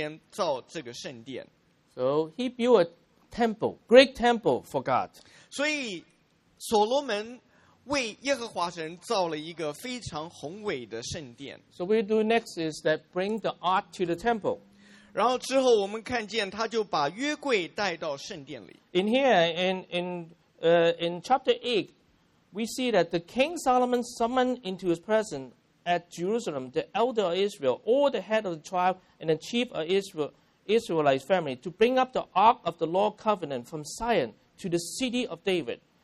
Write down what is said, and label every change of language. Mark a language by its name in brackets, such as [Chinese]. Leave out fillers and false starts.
[Chinese] 所以之后在列王记上第六章记载到以色列人出埃及地之后480年，所罗门做以色列王第四年的西弗月，就是二月的时候开工造耶和华的殿，他花了七年的时间造这个圣殿。So [English] he built a temple, great temple for God. [Chinese] 所以所罗门为耶和华神造了一个非常宏伟的圣殿。So [English] we do next is that bring the ark to the temple. [Chinese] 然后之后我们看见他就把约柜带到圣殿里。In [English] here, in chapter 8, we see that the King Solomon summoned into his presence at Jerusalem the elder of Israel, all the head of the tribe and the chief of Israelite family to bring up the ark of the Lord covenant from Zion to the city of David.